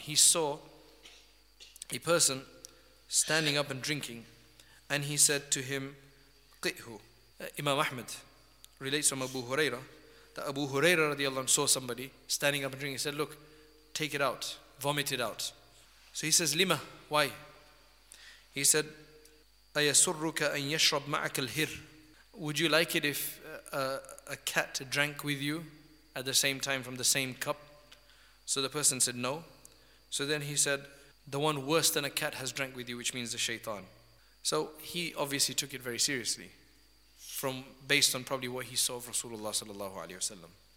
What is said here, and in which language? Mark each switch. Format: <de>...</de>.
<en>He saw a person standing up and drinking, and he said to him,</en> <ar>قِئْهُ.</ar> <en>Imam Ahmad relates from Abu Hurairah that Abu Hurairah radiallahu anhu saw somebody standing up and drinking. He said, look, take it out, vomit it out. So he says,</en> <ar>لِمَ,</ar> <en>why? He said,</en> <ar>أَيَسُرُّكَ أَن يَشْرَبْ مَعَكَ الْهِرُ.</ar> <en>Would you like it if a cat drank with you at the same time from the same cup? So the person said no. So then he said, the one worse than a cat has drank with you, which means the shaitan. So he obviously took it very seriously, based on probably what he saw of Rasulullah sallallahu alaihi wasallam.</en>